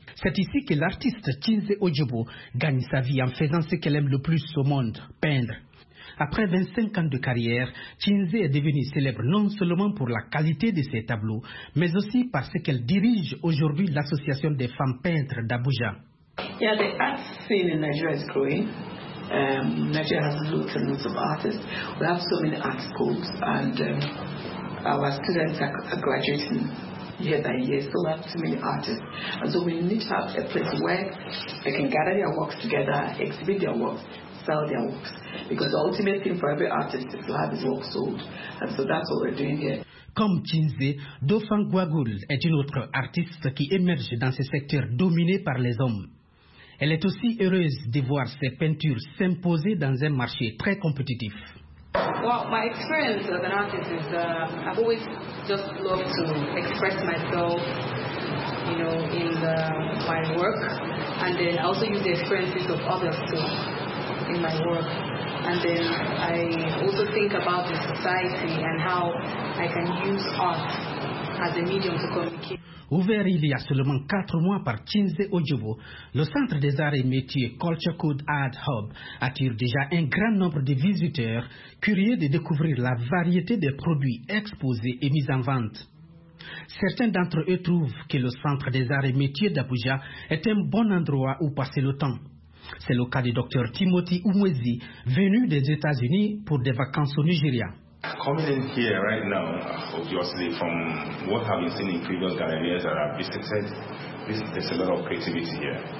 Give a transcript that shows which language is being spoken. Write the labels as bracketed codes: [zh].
[fr] C'est ici que l'artiste Chinze Ojebo gagne sa vie en faisant ce qu'elle aime le plus au monde, peindre. Après 25 ans de carrière, Chinze est devenue célèbre non seulement pour la qualité de ses tableaux, mais aussi parce qu'elle dirige aujourd'hui l'association des femmes peintres d'Abuja. [en] Yeah, the art scene in Nigeria is growing. Nigeria has loads and loads of artists. We have so many art schools, and our students are graduating year by year. So we have too many artists, and so we need to have a place where they can gather their works together, exhibit their works, sell their works. Because the ultimate thing for every artist is to have his work sold, and so that's what we're doing here. [fr] Comme Chinze, Dofan Gwagul est une autre artiste qui émerge dans ce secteur dominé par les hommes. Elle est aussi heureuse de voir ses peintures s'imposer dans un marché très compétitif. [en] Well, my experience as an artist is I've always just loved to express myself, you know, in my work, and then I also use the experiences of others too in my work, and then I also think about the society and how I can use art as a medium to communicate. [fr] Ouvert il y a seulement 4 mois par Chinze Ojebo, le Centre des Arts et Métiers Culture Code Art Hub attire déjà un grand nombre de visiteurs curieux de découvrir la variété des produits exposés et mis en vente. Certains d'entre eux trouvent que le Centre des Arts et Métiers d'Abuja est un bon endroit où passer le temps. C'est le cas du Dr Timothy Umwezi, venu des États-Unis pour des vacances au Nigeria. [en] Coming in here right now, obviously from what I've been seeing in previous galleries that I've visited, there's a lot of creativity here.